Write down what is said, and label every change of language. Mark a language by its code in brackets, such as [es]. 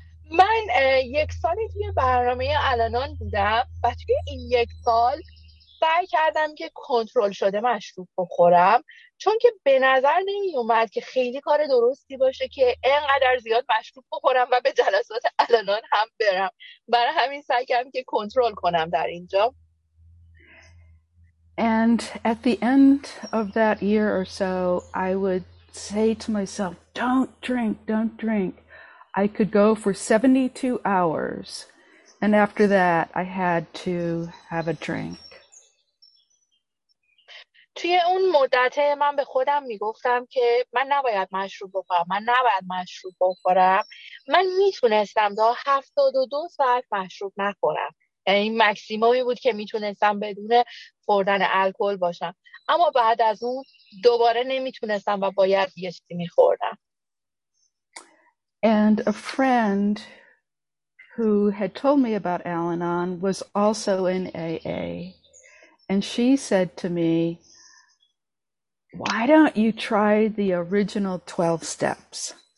[fa] من یک سالی توی برنامه الانان بودم و توی این یک سال سعی کردم که کنترل شده مشروب بخورم، چون که به نظر نمی اومد که خیلی کار درستی باشه که اینقدر زیاد مشروب بخورم و به جلسات الانان هم برم. برای همین سعی کردم که کنترل کنم در اینجا. [en] And at the end of that year or so, I would say to myself, don't drink, don't drink. I could go for 72 hours, and after that, I had to have a drink. [fa] توی اون مدت من به خودم میگفتم که من نباید مشروب بخورم، من نباید مشروب بخورم. من میتونستم تا 72 ساعت مشروب نخورم. یعنی این مکسیمومی بود که میتونستم بدون خوردن الکل باشم، اما بعد از اون دوباره نمیتونستم و باید یه چیزی میخوردم. [en] And a friend who had told me about Al-Anon was also in AA, and she said to me, why don't you try the original 12 steps?